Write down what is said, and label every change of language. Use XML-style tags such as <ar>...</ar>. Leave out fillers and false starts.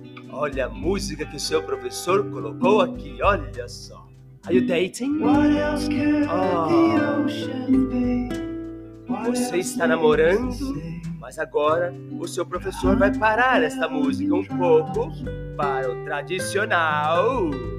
<pt>Olha a música que o seu professor colocou aqui, olha só.</pt> <en>Are you dating? What else could the ocean be?</en> <pt>Você está namorando, mas agora o seu professor vai parar esta música um pouco para o tradicional.</pt>